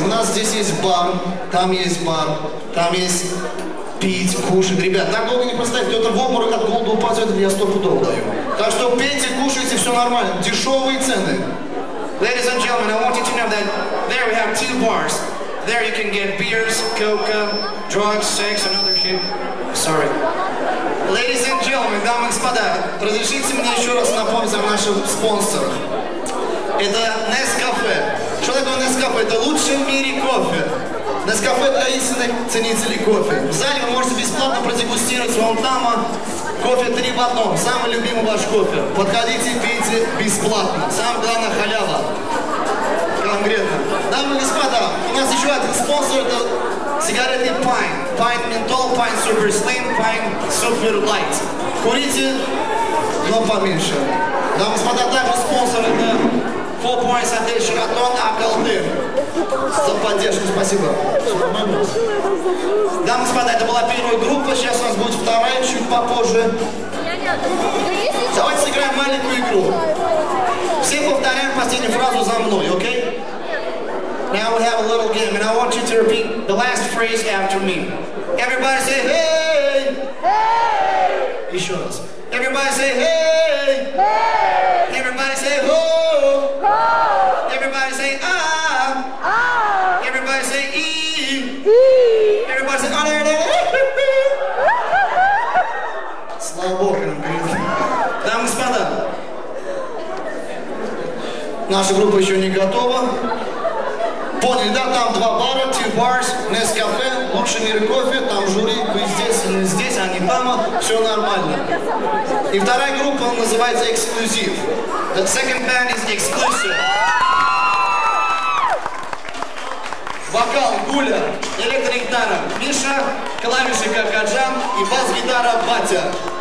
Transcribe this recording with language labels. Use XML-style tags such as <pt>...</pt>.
<ru>У нас здесь есть бар, там есть бар, там есть пить, кушать. Ребят, так долго не простоите, кто-то в обморок от голода упадет, я стопудово даю. Так что пейте, кушайте, все нормально. Дешевые цены.</ru> <en>Ladies and gentlemen, I want you to know that there we have two bars. There you can get beers, coca, drugs, sex, and other shit. Sorry. Ladies and gentlemen,</en> <ru>дамы и господа, разрешите мне еще раз напомнить о наших спонсорах. Это Nescafe. Что такое Nescafe? Это лучший в мире кофе. Nescafe для истинных ценителей кофе. В зале вы можете бесплатно продегустировать вон там кофе 3 в 1. Самый любимый ваш кофе. Подходите, пейте бесплатно. Самое главное, халява. Конкретно. Дамы и господа, у нас еще один спонсор, это сигареты Pine. Pine Menthol, Pine Super Slim, Pine Super Light. Курите, но поменьше. Дамы и господа, также спонсор это 4 Points от Эльшикатон, AkAltyn. За поддержку, спасибо. Дамы и господа, это была первая группа, сейчас у нас будет вторая, чуть попозже. Давайте сыграем маленькую игру. Все повторяем последнюю фразу за мной, окей?</ru> <en>Now we have a little game, and I want you to repeat the last phrase after me. Everybody say, hey! Hey!</en> <ru>Еще раз.</ru> <en>Everybody say, hey! Hey! Everybody say, ho! Ho! Everybody say, ah! Ah! Everybody say, e! E! Everybody say, oh, there it is!</en> <ru>Слава Богу, нам говорит. Дамы и господа, наша группа еще не готова. Поняли, да, там два бара,</ru> <en>two bars,</en> <ru>Nescafe, лучший мир кофе, там жюри, вы здесь, мы здесь, они там, все нормально. И вторая группа называется «Эксклюзив».</ru> <en>The second band is «Эксклюзив».</en> <ru>Вокал Гуля, электрогитара Миша, клавиши Какаджан и бас-гитара Батя.</ru>